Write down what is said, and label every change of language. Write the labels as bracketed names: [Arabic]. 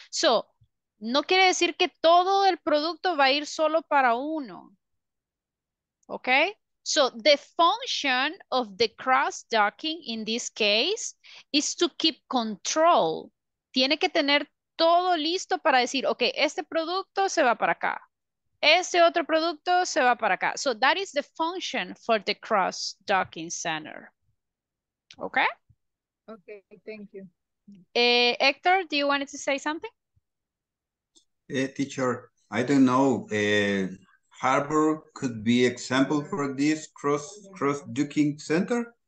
[Spanish] So no quiere decir que todo el producto va a ir solo para uno. [English] Okay? So the function of the cross-docking in this case is to keep control. [Spanish] Tiene que tener todo listo para decir, okay, este producto se va para acá. Este otro producto se va para acá. [English] So that is the function for the cross-docking center. Okay? Okay, thank you. Hector, do you want to say something? Teacher, I don't know. Harbor could be example for this cross-docking center.